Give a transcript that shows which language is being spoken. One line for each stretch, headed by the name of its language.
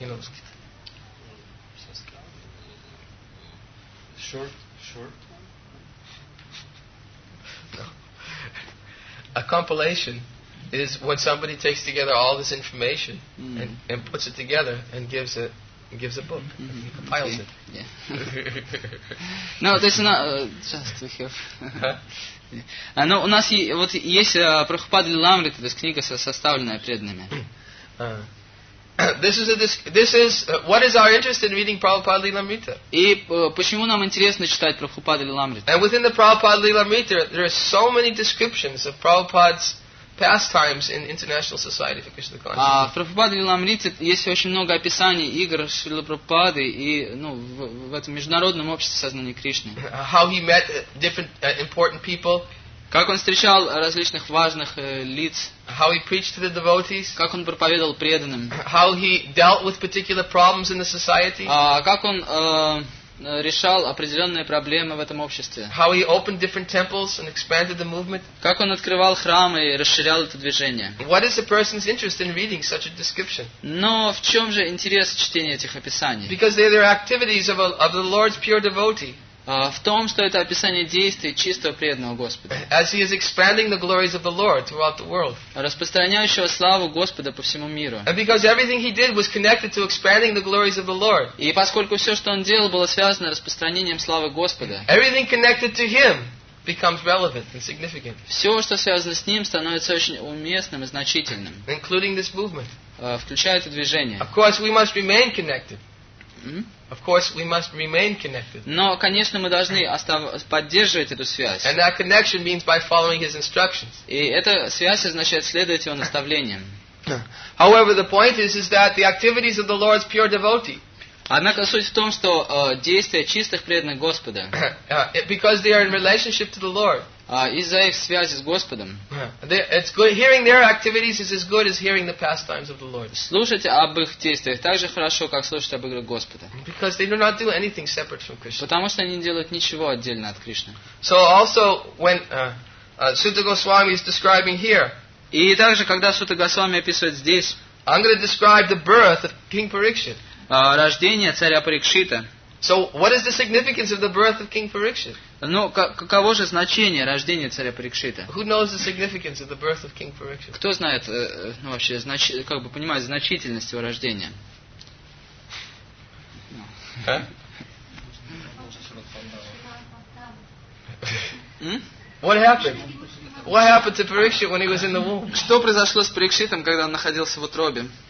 English: You know, A compilation is when somebody takes together all this information and puts it together and gives a book, compiles it. No, this is not just to hear.
Russian: Но у нас вот есть Прабхупада Лиламрита, то есть книга, составленная преданными.
English: What is our interest in reading Prabhupada Lilamrita?
Russian: И почему нам интересно читать Прабхупада Лиламрита?
English: And within the Prabhupada Lilamrita, there are so many descriptions of Prabhupada's pastimes in International Society for Krishna Consciousness.
Russian: В Прабхупада Лиламрите есть очень много описаний игр Шрилы Прабхупады и ну в этом международном обществе сознания Кришны.
English: How he met different important people.
Russian: Как он встречал различных важных лиц.
English: How he preached to the devotees.
Russian: Как он проповедовал преданным.
English: How he dealt with particular problems in the society.
Russian: Как он решал определенные проблемы в этом обществе.
English: How he opened different temples and expanded the movement.
Russian: Как он открывал храмы и расширял это движение.
English: What is a person's interest in reading such a description?
Russian: Но в чем же интерес чтения этих описаний?
English: Because they are activities of the Lord's pure devotee.
Russian: В том, что это описание действий чистого преданного Господа.
English: As he is expanding the glories of the Lord throughout the world.
Russian: Распространяющего славу Господа по всему миру.
English: And because everything he did was connected to expanding the glories of the Lord.
Russian: И поскольку все, что он делал, было связано с распространением славы Господа.
English: Everything connected to him. becomes relevant and significant.
Russian: Все, что связано с ним, становится очень уместным и значительным.
English: Including this movement.
Russian: Включая это движение.
English: Of course, we must remain connected. Of course, we must remain connected.
Russian: Но, конечно, мы должны поддерживать эту связь.
English: And that connection means by following his instructions.
Russian: И эта связь означает следовать его наставлениям.
English: However, the point is that the activities of the Lord's pure devotee.
Russian: Однако суть в том, что действия чистых преданных Господа.
English: Because they are in relationship to the Lord.
Russian: Из-за их связи с Господом.
English: It's good. Hearing their activities is as good as hearing the pastimes of the Lord.
Russian: Слушать об их действиях так же хорошо, как слушать об играх Господа.
English: Because they do not do anything separate from Krishna.
Russian: Потому что они не делают ничего отдельно от Кришны.
English: So also when Sutta Goswami is describing here.
Russian: И также когда Сутта Госвами описывает здесь.
English: I'm going to describe the birth of King Parikshit.
Russian: Рождение царя Парикшита.
English: So what is the significance of the birth of King Parikshit?
Russian: Ну, каково же значение рождения царя Парикшита?
English: Who knows the significance of the birth of King Parikshit?
Russian: Кто знает, ну, вообще, как бы понимает значительность его рождения?
English: What happened? What happened to Parikshit when he was in the womb?
Russian: Что произошло с Парикшитом, когда он находился в утробе?